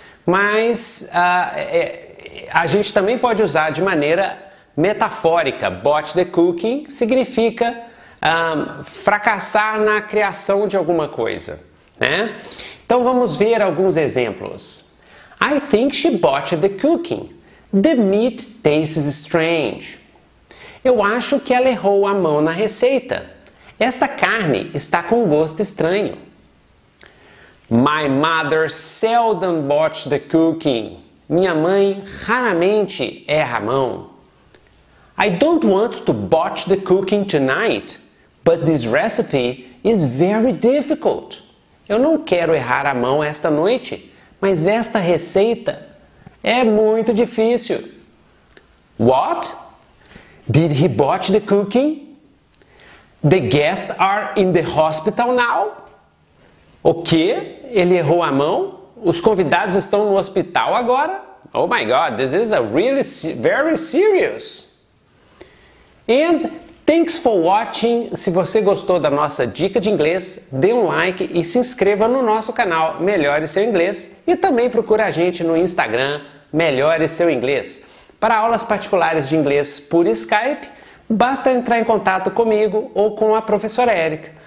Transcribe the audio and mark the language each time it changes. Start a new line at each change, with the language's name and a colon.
Portuguese: Mas a gente também pode usar de maneira metafórica. Botch the cooking significa fracassar na criação de alguma coisa, né? Então vamos ver alguns exemplos.
English: I think she botched the cooking. The meat tastes strange.
Portuguese: Eu acho que ela errou a mão na receita. Esta carne está com gosto estranho.
English: My mother seldom botches the cooking.
Portuguese: Minha mãe raramente erra a mão.
English: I don't want to botch the cooking tonight, but this recipe is very difficult.
Portuguese: Eu não quero errar a mão esta noite, mas esta receita é muito difícil.
English: What? Did he botch the cooking? The guests are in the hospital now.
Portuguese: O quê? Ele errou a mão? Os convidados estão no hospital agora?
English: Oh my God, this is a really very serious. And thanks for watching.
Portuguese: Se você gostou da nossa dica de inglês, dê um like e se inscreva no nosso canal Melhore Seu Inglês. E também procure a gente no Instagram Melhore Seu Inglês. Para aulas particulares de inglês por Skype, basta entrar em contato comigo ou com a professora Erika.